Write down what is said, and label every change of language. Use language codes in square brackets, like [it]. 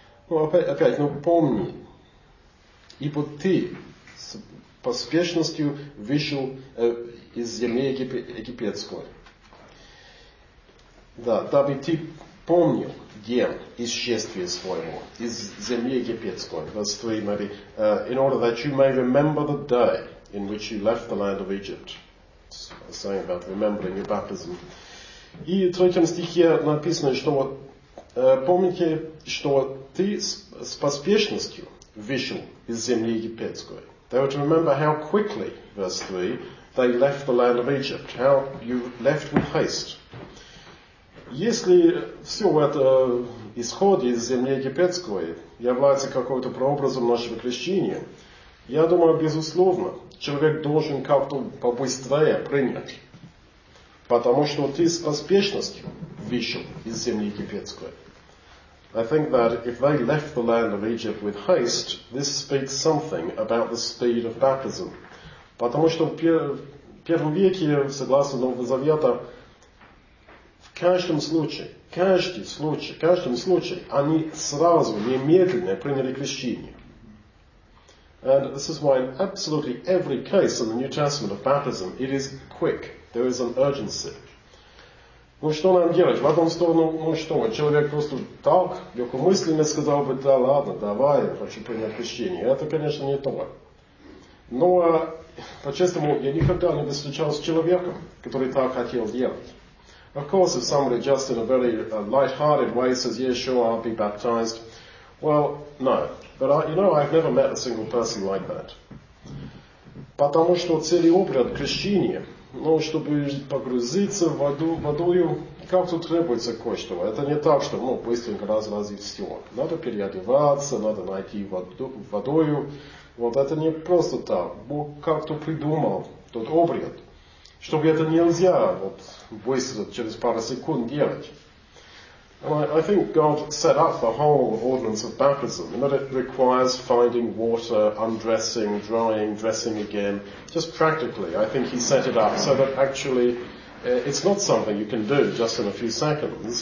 [ru] Опять, помни, ибо ты с поспешностью вышел из земли египетской. Да, дабы ты помнил день исчезствия своего из земли египетской. [en] Verse 3, maybe. In order that you may remember the day in which you left the land of Egypt. It's a saying about remembering your baptism. [ru] И в третьем стихе написано, что вот помните, что ты с поспешностью вышел из земли египетской. [en] They were to remember how quickly, verse 3, they left the land of Egypt, how you left with haste. [ru] Если все это исходе из земли египетской является какой-то прообразом нашего крещения, я думаю, безусловно, человек должен как-то побыстрее принять, потому что ты с поспешностью вышел из земли египетской. [en] I think that if they left the land of Egypt with haste, this speaks something about the speed of baptism. [ru] Потому что в первом веке, согласно Нового Завета, в каждом случае, они сразу, немедленно приняли крещение. [en] And this is why in absolutely every case in the New Testament of baptism, it is quick. There is an urgency. [ru] Ну что нам делать? В одном сторону, ну что, человек просто так, легкомысленно сказал бы, да ладно, давай, я хочу принять крещение. Это, конечно, не то. Но, по-честному, я никогда не встречался с человеком, который так хотел делать. [en] Of course, if somebody just in a very light-hearted way says, yeah, sure, I'll be baptized. Well, no. But, I've never met a single person like that. [ru] Потому что целый обряд крещения, но чтобы погрузиться в водою, как-то требуется кое-что. Это не так, что быстренько раз и все. Надо переодеваться, надо найти водою. Вот это не просто так. Бог как-то придумал тот обряд, чтобы это нельзя быстро через пару секунд делать. [en] I think God set up the whole ordinance of baptism, and that it requires finding water, undressing, drying, dressing again. Just practically, I think he set it up so that actually it's not something you can do just in a few seconds.